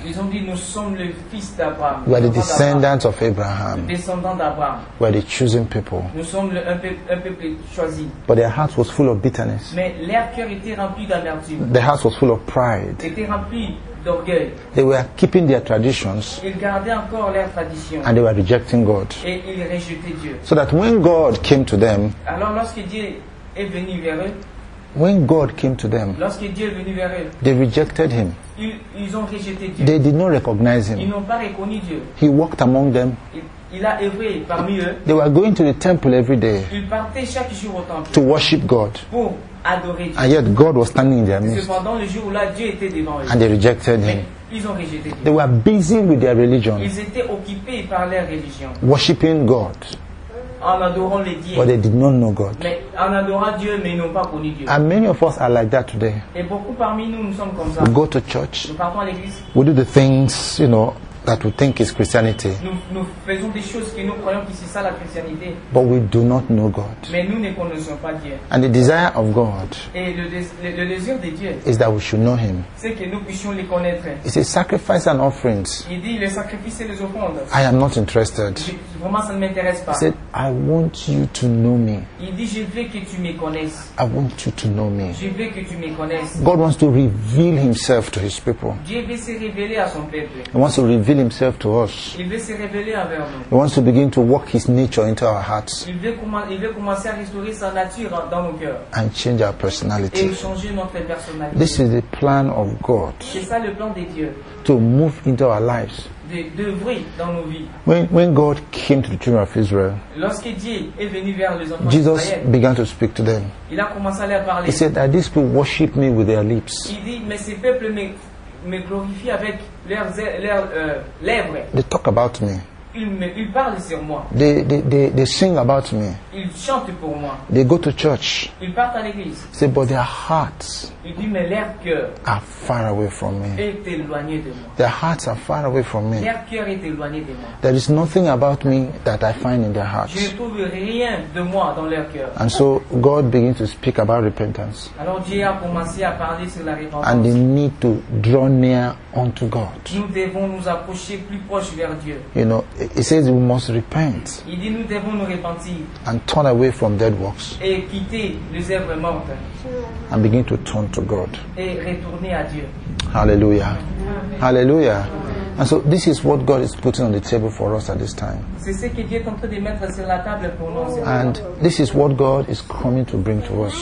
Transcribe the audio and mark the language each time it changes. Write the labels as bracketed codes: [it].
[fr] Ils ont dit, nous sommes le fils d'Abraham. [en] We are the descendants of Abraham. [fr] Descendants d'Abraham. [en] We are the chosen people. [fr] Nous sommes un peuple choisi. [en] But their heart was full of bitterness. [fr] Mais leur cœur était rempli d'amertume. [en] Their heart was full of pride. [fr] Était rempli. [en] They were keeping their traditions. [fr] Ils gardaient encore leurs traditions. [en] And they were rejecting God. [fr] Et ils rejetaient Dieu. [en] So that when God came to them, [fr] alors lorsque Dieu est venu vers eux, [en] when God came to them, [fr] lorsque Dieu est venu vers eux, [en] they rejected him. [fr] Ils ont rejeté Dieu. [en] They did not recognize him. [fr] Ils n'ont pas reconnu Dieu. [en] He walked among them. [fr] Il a œuvré parmi eux. [en] They were going to the temple every day. [fr] Ils partaient chaque jour au temple. [en] To worship God. [fr] Pour adorer Dieu. [en] And yet God was standing in their midst. [fr] Cependant, le jour où là, Dieu était devant eux. [en] And they rejected him. [fr] Ils ont rejeté Dieu. [en] They were busy with their religion. [fr] Ils étaient occupés par leur religion. [en] Worshipping God. [fr] En adorant les dieux. [en] But they did not know God. [fr] Mais en adorant Dieu, mais ils n'ont pas connu Dieu. [en] And many of us are like that today. [fr] Et beaucoup parmi nous, nous sommes comme ça. [en] We go to church. [fr] Nous partons à l'église. [en] We do the things, you know, that we think is Christianity. [fr] Nous faisons des choses que nous croyons que c'est ça la christianité. [en] But we do not know God. [fr] Mais nous ne connaissons pas Dieu. [en] And the desire of God, [fr] et le désir de Dieu, [en] is that we should know him. [fr] C'est que nous puissions le connaître. [en] It's a sacrifice and offerings. [fr] Il dit les sacrifices et les offrandes. [en] I am not interested. [fr] Vraiment, ça ne m'intéresse pas. [en] He said, I want you to know me. [fr] Il dit, je veux que tu me connaisses. [en] I want you to know me. [fr] Je veux que tu me connaisses. [en] God wants to reveal himself to his people. [fr] Dieu veut se révéler à son peuple. [en] He wants to reveal reveal himself to us. [fr] Il veut se révéler envers nous. [en] He wants to begin to work his nature into our hearts. [fr] Il veut commencer à restaurer sa nature dans nos cœurs. [en] And change our personality. [fr] Et changer notre personnalité. [en] This is the plan of God. [fr] C'est ça le plan de Dieu. [en] To move into our lives. [fr] De dans nos vies. [en] When God came to the children of Israel, [fr] lorsque Dieu est venu vers les enfants d'Israël, [en] Jesus began to speak to them. [fr] Il a commencé à leur parler. [en] He said that these people worship me with their lips. [fr] Il dit, mais ces peuples me glorifient avec leurs lèvres. [en] They talk about me. [fr] Ils parlent sur moi. [en] They sing about me. [fr] Ils chantent pour moi. [en] They go to church. [fr] Ils partent à l'église. [en] He said, but their hearts. [fr] Il dit, mais leur cœur [en] are far away from me. [fr] Est éloigné de moi. [en] Their hearts are far away from me. [fr] Leur cœur est éloigné de moi. [en] There is nothing about me that I find in their hearts. [fr] Je ne trouve rien de moi dans leur cœur. [en] And so God begins to speak about repentance. [fr] Alors Dieu a commencé à parler sur la repentance. [en] And the need to draw near unto God. [fr] Nous devons nous approcher plus proche vers Dieu. [en] You know, he says we must repent. [fr] Il dit, nous devons nous repentir. [en] And turn away from dead works. [fr] Et quitter les œuvres mortes. [en] And begin to turn to God. [fr] Et retourner à Dieu. Hallelujah. Hallelujah. [en] And so this is what God is putting on the table for us at this time. [fr] C'est ce que Dieu est en train de mettre sur la table pour nous. [en] And this is what God is coming to bring to us.